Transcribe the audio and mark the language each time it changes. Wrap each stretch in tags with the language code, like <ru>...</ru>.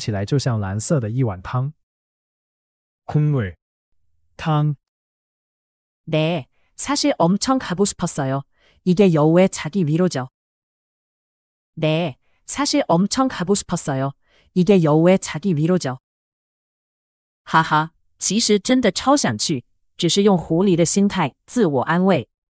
<zh>最搞笑的是，你还在社群留言说看起来就像蓝色的一碗汤。</zh> <ko>국물, 汤. 네, 사실 엄청 가고 싶었어요. 이게 여우의 자기 위로죠. 네, 사실 엄청 가고 싶었어요. 이게 여우의 자기 위로죠.</ko> <zh>하하, 其实真的超想去，只是用狐狸的心态自我安慰。</zh>